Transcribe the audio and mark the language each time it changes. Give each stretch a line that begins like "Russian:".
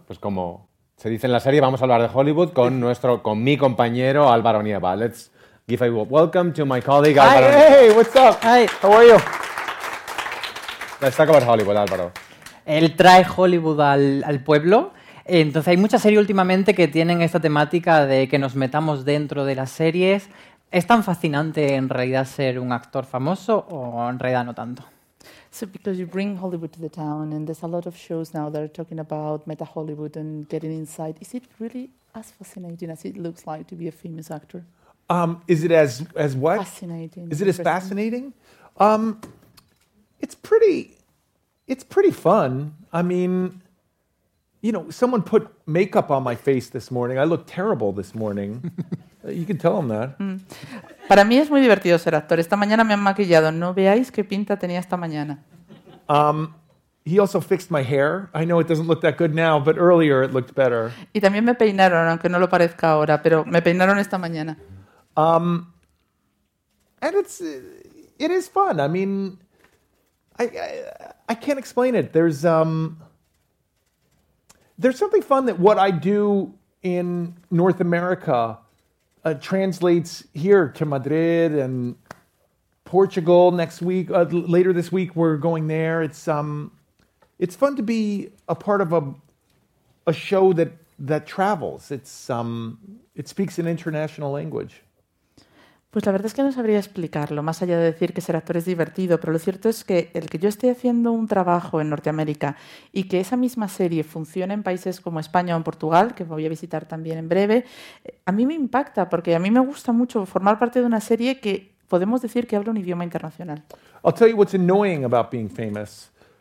Spanish: Pues como se dice en la serie, vamos a hablar de Hollywood con mi compañero Álvaro Nieva.
English: Let's give a welcome to my colleague, Álvaro. Hey, what's up? Hi. How are you? Let's talk about Hollywood, Álvaro.
Spanish: Él trae Hollywood al pueblo. Entonces, hay mucha serie últimamente que tienen esta temática de que nos metamos dentro de las series. ¿Es tan fascinante en realidad ser un actor famoso o en realidad no tanto?
English: So because you bring Hollywood to the town and there's a lot of shows now that are talking about meta Hollywood and getting inside. Is it really as fascinating as it looks like to be a famous actor? Is it as what? Fascinating. Is it as fascinating? It's pretty fun. I mean, you know, someone put makeup on my face this morning. I look terrible this morning. You can tell them that.
Spanish: Para mí es muy divertido ser actor. Esta mañana me han maquillado. No veáis qué pinta tenía esta mañana.
English: He also fixed my hair. I know it doesn't look that good now, but earlier it looked better.
Spanish: Y también me peinaron, aunque no lo parezca ahora, pero me peinaron esta mañana.
English: And it is fun. I mean, I can't explain it. There's something fun that what I do in North America translates here to Madrid and Portugal next week. Later this week, we're going there. It's fun to be a part of a show that travels. It speaks an international language.
Spanish: Pues la verdad es que no sabría explicarlo, más allá de decir que ser actor es divertido, pero lo cierto es que el que yo esté haciendo un trabajo en Norteamérica y que esa misma serie funcione en países como España o en Portugal, que voy a visitar también en breve, a mí me impacta porque a mí me gusta mucho formar parte de una serie que podemos decir que habla un idioma internacional.
English: I'll tell you what's annoying about being famous.